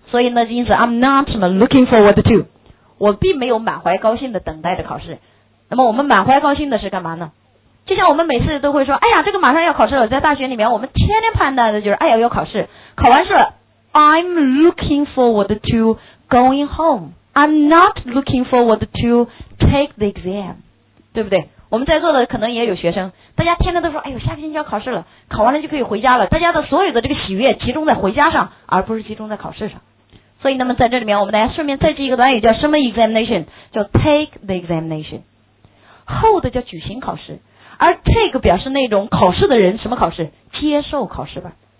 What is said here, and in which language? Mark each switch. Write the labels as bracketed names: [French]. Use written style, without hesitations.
[Chinese] 所以呢，因此 [English] I'm not [Chinese] 什么 [English] looking forward to， [Chinese] 我并没有满怀高兴的等待着考试。那么我们满怀高兴的是干嘛呢？就像我们每次都会说，哎呀，这个马上要考试了，在大学里面我们天天盼待的就是，哎呀，要考试，考完试了。 [English] I'm looking forward to going home. I'm not looking forward to take the exam. [Chinese] 对不对？我们在座的可能也有学生，大家天天都说，哎呦，下个星期要考试了，考完了就可以回家了。大家的所有的这个喜悦集中在回家上，而不是集中在考试上。所以那么在这里面，我们大家顺便再记一个短语，叫什么 examination， 叫 take the examination。 Hold 叫举行考试，而 take 表示那种考试的人，什么考试，接受考试吧。